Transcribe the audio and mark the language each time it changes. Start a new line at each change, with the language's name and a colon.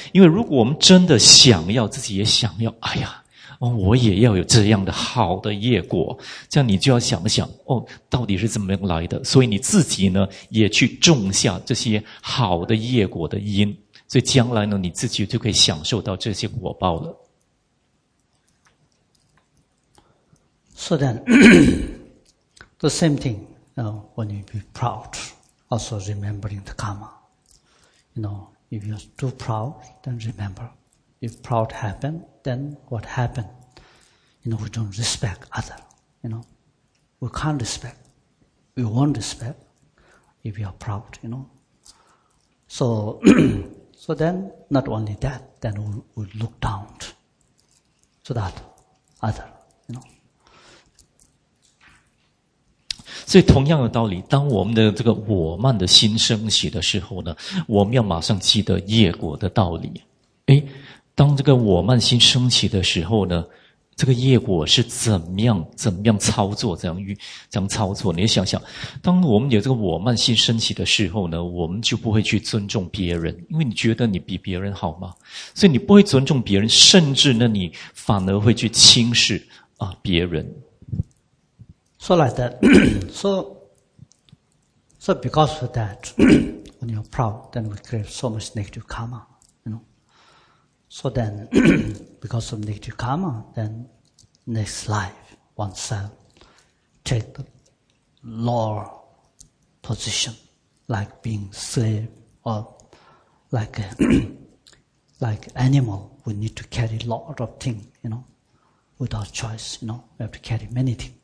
Chinese: 因为如果我们真的想要，自己也想要，哎呀，我也要有这样的好的业果，这样你就要想想，哦，到底是怎么来的？所以你自己呢，也去种下这些好的业果的因，所以将来呢，你自己就可以享受到这些果报了。
English: So then, the same thing, you know, when you be proud, also remembering the karma, you know. If you're too proud, then remember. If proud happened, then what happened? You know, we don't respect other. You know, we can't respect. We won't respect if you are proud, you know. So, so then, not only that, then we look down to that other. You know?
Chinese: 所以同样的道理，当我们的这个我慢的心升起的时候呢，我们要马上记得业果的道理。诶，当这个我慢心升起的时候呢，这个业果是怎么样操作，怎样操作？你想想，当我们有这个我慢心升起的时候呢，我们就不会去尊重别人，因为你觉得你比别人好吗？所以你不会尊重别人，甚至呢，你反而会去轻视啊别人。
English: So like that, so because of that, when you're proud, then we create so much negative karma, you know. So then, because of negative karma, then next life, oneself, take the lower position, like being slave, or like, like animal, we need to carry a lot of things, you know, without choice, you know, we have to carry many things.